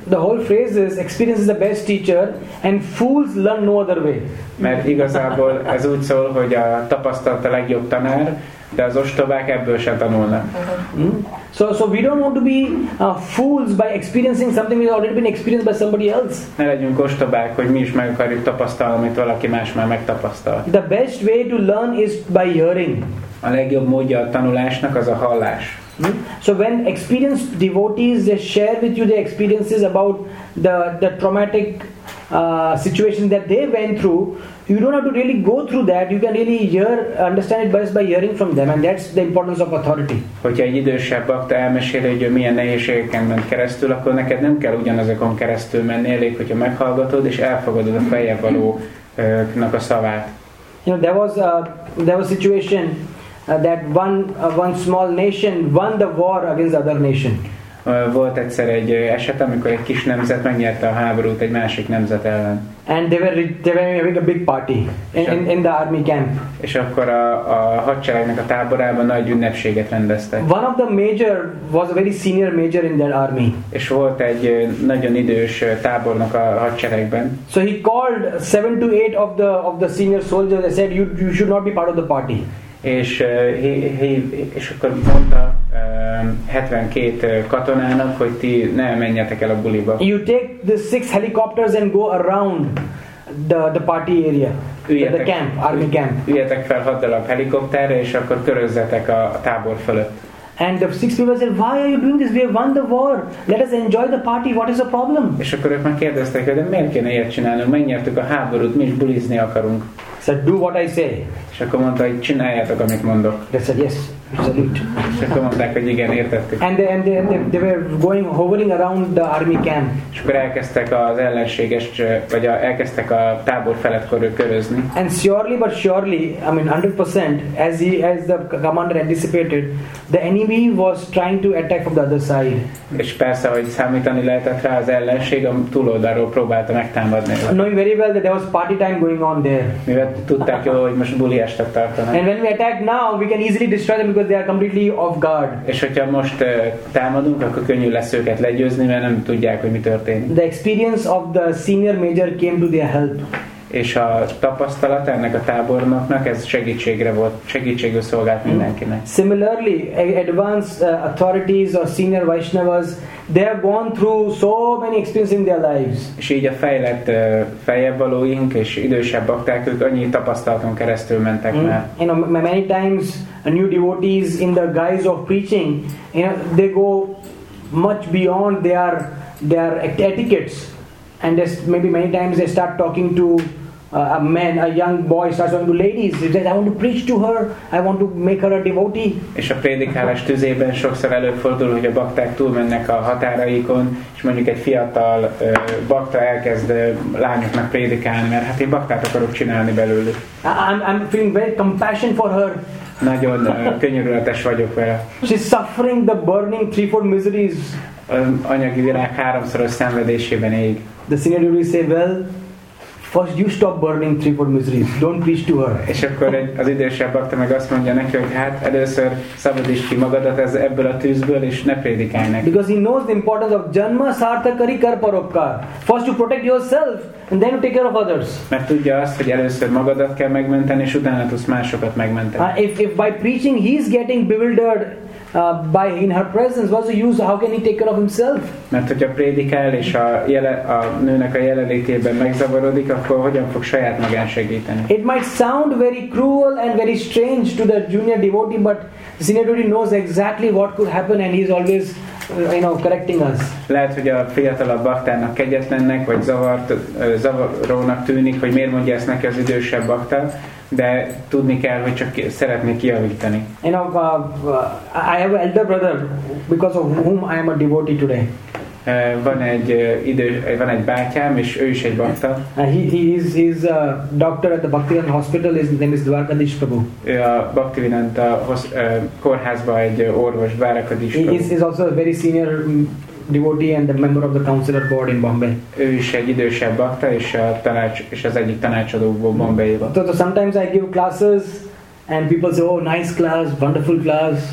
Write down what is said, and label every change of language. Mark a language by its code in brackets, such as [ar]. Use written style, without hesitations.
[en] The whole phrase is experience is the best teacher and fools learn no other way. [hu] Mert igazából ez úgy szól, hogy a tapasztalat a legjobb tanár, de az ostobák ebből sem tanulnak. [en] So we don't want to be fools by experiencing something that has already been experienced by somebody else. [hu] Ne legyünk ostobák, hogy mi is meg akarjuk tapasztalni, amit valaki más már megtapasztalt. [en] The best way to learn is by hearing. [hu] A legjobb módja a tanulásnak az a hallás. [en] So when experienced devotees they share with you their experiences about the traumatic situation that they went through, you don't have to really go through that. You can really hear, understand it by hearing from them, and that's the importance of authority. [hu] Hogyha egy idősebb bakta elmeséli, hogy milyen nehézségeken ment keresztül, akkor neked nem kell ugyanazokon keresztül menni, elég, hogyha meghallgatod és elfogadod a feljebb valóknak a szavát. [en] You know, there was a situation that one small nation won the war against the other nation. [hu] Volt egyszer egy eset, amikor egy kis nemzet megnyerte a háborút egy másik nemzet ellen. [en] And they were having a big party in the army camp. [hu] És akkor a hadseregnek a táborában nagy ünnepséget rendeztek. [en] One of the major was a very senior major in their army. [hu] És volt egy nagyon idős tábornok a hadseregben. [en] So he called 7 to 8 of the senior soldiers and said you should not be part of the party. [hu] És és akkor mondta 72 katonának, hogy ti ne menjetek el a buliba. [en] You take the 6 helicopters and go around the party area, the camp, army camp. [hu] Üljetek fel 6 darab helikopterre, és akkor körözzetek a tábor fölött. [en] And the 6 people said, why are you doing this? We have won the war. Let us enjoy the party. What is the problem? [hu] És akkor ők már kérdeztek, hogy de miért kéne ilyet csinálnunk? Megnyertük a háborút, mi is bulizni akarunk. [en] Said, do what I say. [hu] És akkor mondta, hogy csináljátok, amit mondok. [en] They said, yes. [hu] És akkor mondták, hogy igen, értettük. [en] And they were going hovering around the army camp. [hu] És akkor elkezdtek az ellenséges, vagy elkezdtek a tábor felett körül körözni. [en] And surely but surely, I mean 100%, as the commander anticipated, the enemy was trying to attack from the other side. [hu] És persze, hogy számítani lehetett rá, az ellenség a túloldalról próbálta megtámadni. [en] Knowing very well that there was party time going on there. [hu] Mivel tudták jól, hogy most buli estet tartanak. [en] And when we attack now, we can easily destroy them. because they are completely off guard. [hu] És hogyha most támadunk, akkor könnyű lesz őket legyőzni, mert nem tudják, hogy mi történik. [en] The experience of the senior major came to their help. [hu] És a tapasztalat ennek a tábornoknak ez segítségre volt, segítségül szolgált mindenkinek. [en] Similarly, advanced authorities or senior Vaishnavas, they have gone through so many experiences in their lives. [hu] És így a fejlett feljebbvalóink és idősebb bakták, ők annyi tapasztalaton keresztül mentek már. [en] You know, many times a new devotees in the guise of preaching, you know, they go much beyond their etiquettes. And just maybe many times they start talking to a man, a young boy starts talking to ladies. He says, "I want to preach to her. I want to make her a devotee." [hu] És a prédikálás tüzében sokszor előfordul, hogy a bakták túlmennek a határaikon, és mondjuk egy fiatal bakta elkezd lányoknak prédikálni, mert hát én baktát akarok csinálni belőlük. [en] I'm feeling very compassion for her. [hu] Nagyon könyörületes vagyok vele. [en] She's suffering the burning 3-4 miseries. [hu] Anyagi világ háromszoros szenvedésében ég. [en] The senior will say, "Well, first you stop burning 3-4 miseries. Don't preach to her." [hu] És akkor az idősebb bakta meg azt mondja neki, hogy hát először szabadíts ki magadat ebből a tűzből, és ne prédikálj neki. [en] Because he knows the importance of janma sarthakari kar parokkar. First you protect yourself, and then you take care of others. [hu] Mert tudja azt, hogy először magadat kell megmenteni, és utána tudsz másokat megmenteni. [en] If by preaching he is getting bewildered, by in her presence, what's the use? How can he take care of himself? [hu] Mert hogyha prédikál és a nőnek a jelenlétében megzavarodik, akkor hogyan fog saját magán segíteni? [en] It might sound very cruel and very strange to the junior devotee, but senior devotee knows exactly what could happen, and he's always, you know, correcting us. [hu] Lehet, hogy a fiatalabb baktának kegyetlennek vagy zavarónak tűnik, hogy miért mondja ezt neki az idősebb bakta. De tudni kell, hogy csak szeretné kijavítani. [en] You know, I have an elder brother, because of whom I am a devotee today. [hu] Van egy bátyám, és ő is egy bakta. [en] He is a doctor at the Bhaktivinoda Hospital. His name is Dwarkadish Prabhu. [hu] A Bhaktivinoda kórházba egy orvos, Dwarkadish Prabhu. [en] He is also a very senior devotee and the member of the counselor board in Bombay. [hu] Ő is egy idősebb bakta és az egyik tanácsadó Bombayban. [en] So sometimes I give classes and people say, "Oh, nice class, wonderful class."